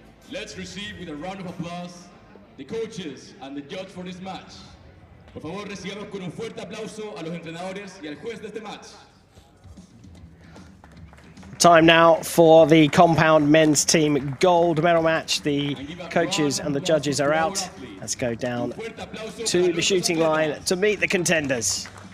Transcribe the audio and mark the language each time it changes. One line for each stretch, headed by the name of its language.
English: Let's receive with a round of applause the coaches and the judge for this match.
Spanish: Por favor, recibamos con un fuerte aplauso a los entrenadores y al juez de este match.
English: Time now for the compound men's team gold medal match. The coaches and the judges are out. Let's go down to the shooting line to meet the contenders.